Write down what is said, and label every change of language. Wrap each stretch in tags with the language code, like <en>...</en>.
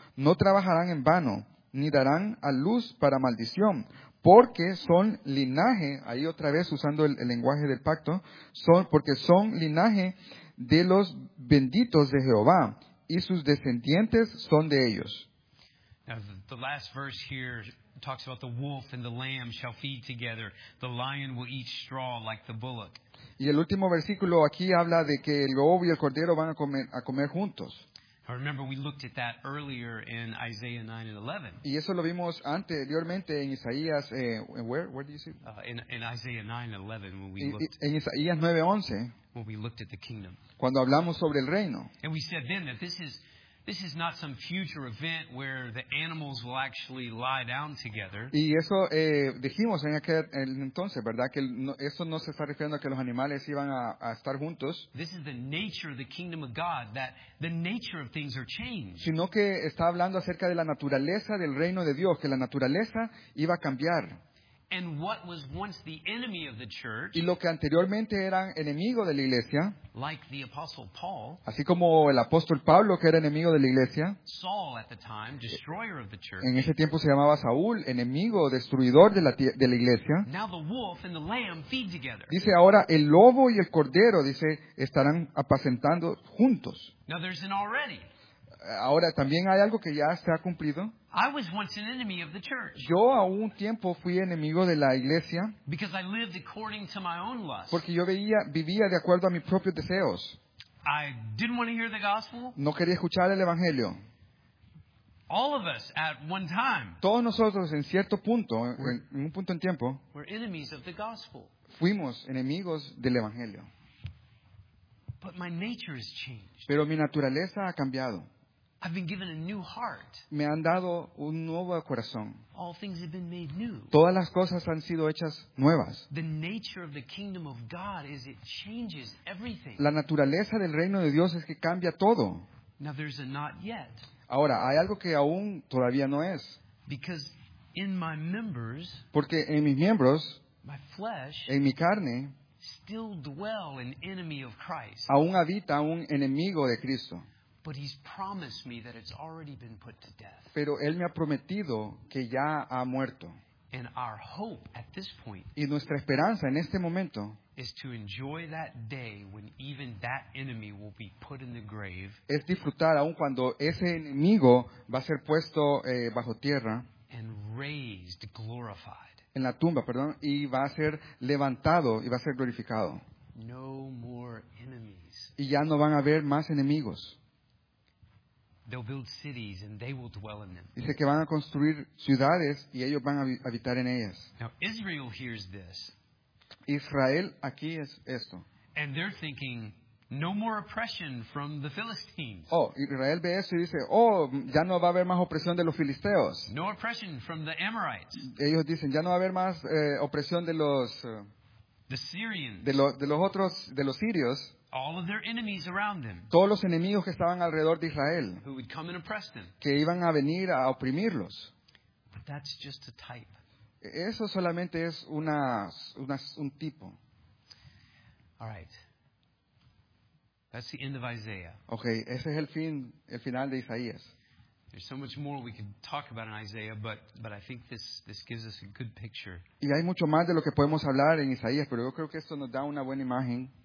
<es>No trabajarán en vano, ni darán a luz para maldición. Porque son linaje, ahí otra vez usando el lenguaje del pacto, porque son linaje de los benditos de Jehová, y sus descendientes son de ellos.</es> <en>Now, the last verse here talks about the wolf and the lamb shall feed together. The lion will eat straw like the bullock.</en> <es>Y el último versículo aquí habla de que el lobo y el cordero van a comer juntos.</es> <en>I remember we looked at that earlier in Isaiah 9 and 11.</en> <es>Y eso lo vimos anteriormente en Isaías,</es> <en>where do you see? In Isaiah 9 and 11 when we</en> <es>en Isaías 9 y 11.</es> <en>When we looked at the kingdom.</en> <es>Cuando hablamos sobre el reino.</es> <en>And we said then that this is not some future event where the animals will actually lie down together.</en> <es>Y eso dijimos en aquel entonces, ¿verdad? Que eso no se está refiriendo a que los animales iban a estar juntos.</es> <en>This is the nature of the kingdom of God, that the nature of things are changed.</en> <es>Sino que está hablando acerca de la naturaleza del reino de Dios, que la naturaleza iba a cambiar.</es> <en>And what was once the enemy of the church,</en> <es>y lo que anteriormente eran enemigo de la iglesia,</es> <en>like the apostle Paul,</en> <es>así como el apóstol Pablo, que era enemigo de la iglesia,</es> <en>Saul at the time, destroyer of the church,</en> <es>en ese tiempo se llamaba Saúl, enemigo, destruidor de la iglesia,</es> <en>now the wolf and the lamb feed together.</en> <es>Dice ahora el lobo y el cordero, dice, estarán apacentando juntos.</es> <en>Now there's an already.</en> <es>Ahora también hay algo que ya se ha cumplido.</es> <en>I was once an enemy of the church.</en> <es>Yo a un tiempo fui enemigo de la iglesia.</es> <en>Because I lived according to my own lust.</en> <es>Porque yo vivía de acuerdo a mis propios deseos.</es> <en>I didn't want to hear the gospel.</en> <es>No quería escuchar el evangelio.</es> <en>All of us at one time.</en> <es>Todos nosotros en cierto punto, en un punto en tiempo,</es> <en>were enemies of the gospel.</en> <es>Fuimos enemigos del evangelio.</es> <en>But my nature has changed.</en> <es>Pero mi naturaleza ha cambiado.</es> <en>I've been given a new heart.</en> <es>Me han dado un nuevo corazón.</es> <en>All things have been made new.</en> <es>Todas las cosas han sido hechas nuevas.</es> <en>The nature of the kingdom of God is it changes everything.</en> <es>La naturaleza del reino de Dios es que cambia todo.</es> <en>Now there's a not yet.</en> <es>Ahora, hay algo que aún todavía no es.</es> <en>Because in my members,</en> <es>porque en mis miembros,</es> <en>my flesh,</en> <es>en mi carne,</es> <en>still dwell an enemy of Christ.</en> <es>Aún habita un enemigo de Cristo.</es> <en>But he's promised me that it's already been put to death.</en> <es>Pero él me ha prometido que ya ha muerto.</es> <en>And our hope at this point,</en> <es>y nuestra esperanza en este momento,</es> <en>is to enjoy that day when even that enemy will be put in the grave.</en> <es>Es disfrutar aun cuando ese enemigo va a ser puesto bajo tierra,</es> <en>and raised, glorified.</en> <es>En la tumba, perdón, y va a ser levantado y va a ser glorificado.</es> <en>No more enemies.</en> <es>Y ya no van a haber más enemigos.</es> <en>They'll build cities and they will dwell in them.</en> <es>Dice que van a construir ciudades y ellos van a habitar en ellas.</es> <en>Now Israel hears this.</en> <es>Israel aquí es esto.</es> <en>And they're thinking, no more oppression from the Philistines.</en> <es>Oh, Israel ve esto y dice, ya no va a haber más opresión de los filisteos.</es> <en>No oppression from the Amorites.</en> <es>Ellos dicen, ya no va a haber más opresión de los</es> <en>the Syrians.</en> <es>De los sirios.</es> <en>All of their enemies around them.</en> <es>Todos los enemigos que estaban alrededor de Israel.</es> <en>Who would come and oppress them.</en> <es>Que iban a venir a oprimirlos.</es> <en>But that's just a type.</en> <es>Eso solamente es un tipo.</es> <en>All right. That's the end of Isaiah.</en> <es>Okay, ese es el final de Isaías.</es> <en>There's so much more we can talk about in Isaiah, but I think this gives us a good picture.</en> <es>Y hay mucho más de lo que podemos hablar en Isaías, pero yo creo que esto nos da una buena imagen.</es>